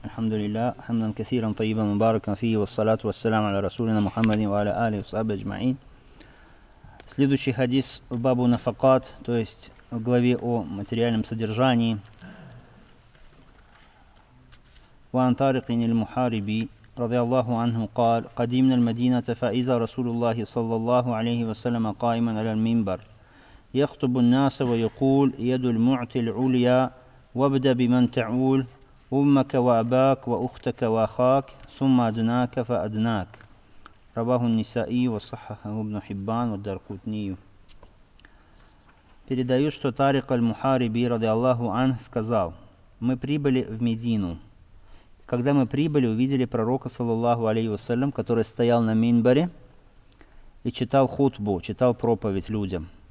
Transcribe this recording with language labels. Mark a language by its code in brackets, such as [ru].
[ar] الحمد لله حمدا كثيرا طيبا مباركا فيه، والصلاة والسلام على رسولنا محمد وعلى آله وصحبه أجمعين. [ru] Следующий хадис в бабу нафакат, то есть в главе о материальном содержании. [ar] وعن طارق المحاربي رضي الله عنه قال قدمنا المدينة فإذا رسول الله صلى الله عليه وسلم قائما على المنبر يخطب الناس ويقول يد المعطي العليا وابدأ بمن تعول أمك وأباك وأختك وأخاك ثم أدناك فأدناك. رواه النسائي وصححه ابن حبان والدارقطني. [ru] Передаю, что Тарик аль-Мухариби [ar] رضي الله عنه [ru] сказал: Мы прибыли в Медину. Когда мы прибыли, увидели пророка, саллаллаху алейхи вассалям, который стоял на минбаре и читал хутбу, читал проповедь людям.